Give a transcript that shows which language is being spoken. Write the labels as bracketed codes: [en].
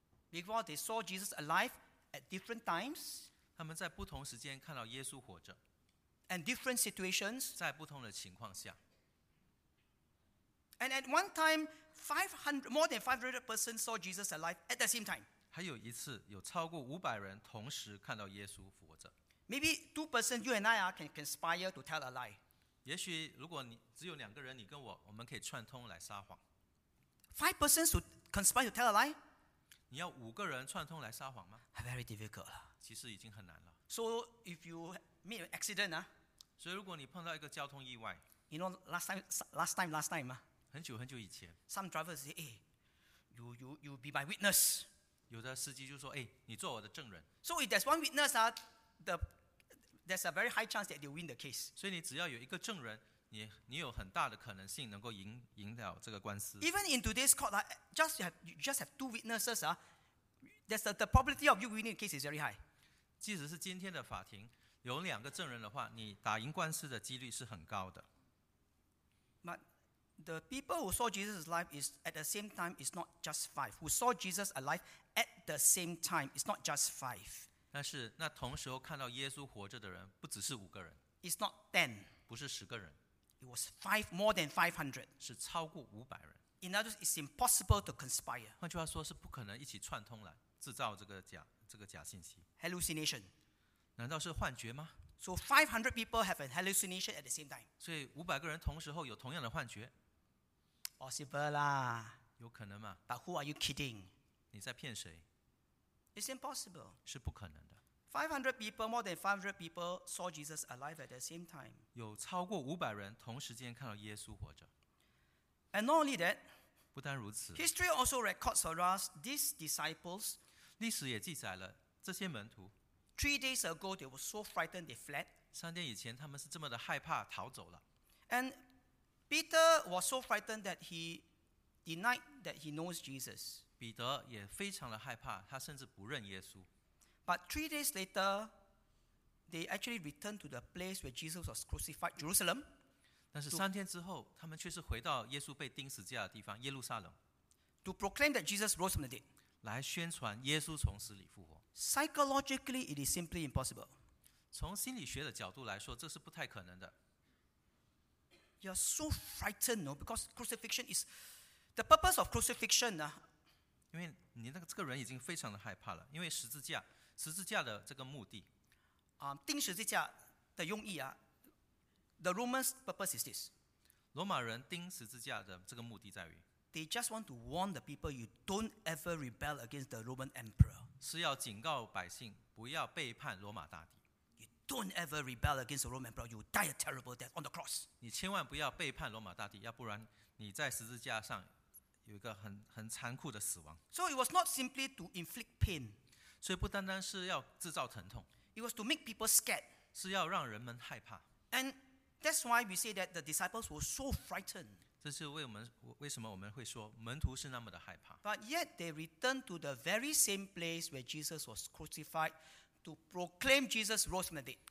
[en] Because they saw Jesus alive at different times. [zh] 他们在不同时间看到耶稣活着。 [en] And different situations. [zh] 在不同的情况下。 [en] And at one time, 500, more than 500 persons saw Jesus alive at the same time. [zh] 还有一次，有超过500人同时看到耶稣活着。 [en] Maybe two persons, you and I, can conspire to tell a lie. [zh] 也许如果你只有两个人，你跟我，我们可以串通来撒谎。 [en] Five persons to conspire to tell a lie? [zh] 你要五个人串通来撒谎吗？ [en] Very difficult. [zh] 其实已经很难了。 [en] So if you meet an accident, [zh] 所以如果你碰到一个交通意外， [en] you know last time, [zh] 很久很久以前， [en] some drivers say, hey, you be my witness. [zh] 有的司机就说，哎，你做我的证人。 [en] So if there's one witness, there's a very high chance that they win the case. [zh] 所以你只要有一个证人。你有很大的可能性能够赢了这个官司。 [en] Even in today's court, you just have two witnesses, the probability of you winning the case is very high. [zh] 即使是今天的法庭，有两个证人的话，你打赢官司的几率是很高的。 [en] But the people who saw Jesus alive is at the same time is not just five. Who saw Jesus alive at the same time is not just five. [zh] 但是那同时候看到耶稣活着的人不只是五个人。 [en] It's not ten. [zh] 不是十个人。 [en] It was more than 500. [zh] 是超过五百人。 [en] In other words, it's impossible to conspire. [zh] 换句话说，是不可能一起串通来制造这个假信息。 [en] Hallucination. [zh] 难道是幻觉吗？ [en] So 500 people have a hallucination at the same time. [zh] 所以五百个人同时候有同样的幻觉。 [en] Possible 啦。 [zh] 有可能吗？ [en] But who are you kidding? [zh] 你在骗谁？ [en] It's impossible. [zh] 是不可能的。 [en] 500 people, more than 500 people saw Jesus alive at the same time. [zh] 有超过500人同时间看到耶稣活着。 [en] And not only that, [zh] 不单如此， [en] history also records for us these disciples, [zh] 历史也记载了这些门徒， [en] 3 days ago, they were so frightened, they fled. [zh] 三天以前他们是这么的害怕逃走了。 [en] And Peter was so frightened that he denied that he knows Jesus. [zh] 彼得也非常的害怕，他甚至不认耶稣。 [en] But 3 days later, they actually returned to the place where Jesus was crucified, Jerusalem. [zh] 但是三天之后，他们却是回到耶稣被钉十字架的地方，耶路撒冷。 [en] To proclaim that Jesus rose from the dead. [zh] 来宣传耶稣从死里复活。 [en] Psychologically, it is simply impossible. [zh] 从心理学的角度来说，这是不太可能的。 [en] You are so frightened, no? Because crucifixion is the purpose of crucifixion. [zh] 因为你那个这个人已经非常的害怕了，因为十字架。十字架的这个目的，钉十字架的用意啊 ， [en] the Romans' purpose is this. [zh] 罗马人钉十字架的这个目的在于 [en] ，they just want to warn the people you don't ever rebel against the Roman emperor. [zh] 是要警告百姓不要背叛罗马大帝。 [en] You don't ever rebel against the Roman emperor. You die a terrible death on the cross. [zh] 你千万不要背叛罗马大帝，要不然你在十字架上有一个很残酷的死亡。 [en] So it was not simply to inflict pain. [zh] 所以不单单是要制造疼痛， [en] it was to make people scared. [zh] 是要让人们害怕。 [en] And that's why we say that the disciples were so frightened. [zh] 这是为什么我们会说门徒是那么的害怕。 [en] But yet they returned to the very same place where Jesus was crucified to proclaim Jesus rose from the dead.